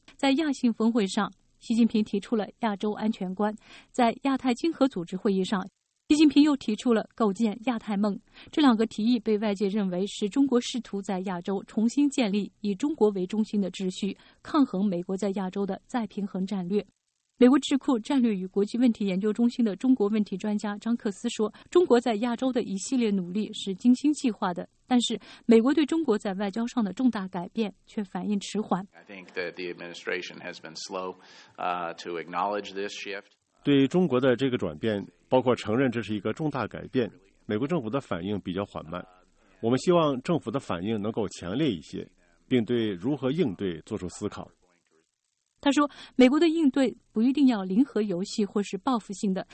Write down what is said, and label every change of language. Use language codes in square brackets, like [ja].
[zh] 在亚信峰会上，习近平提出了亚洲安全观；在亚太经合组织会议上，习近平又提出了构建亚太梦，这两个提议被外界认为是中国试图在亚洲重新建立以中国为中心的秩序，抗衡美国在亚洲的再平衡战略。美国智库战略与国际问题研究中心的中国问题专家张克思说，中国在亚洲的一系列努力是精心计划的，但是美国对中国在外交上的重大改变却反应迟缓。 [en] I think that the administration has been slow, to acknowledge this shift. [zh] 对中国的这个转变，包括承认这是一个重大改变，美国政府的反应比较缓慢。我们希望政府的反应能够强烈一些，并对如何应对做出思考。他说，美国的应对不一定要零和游戏或是报复性的。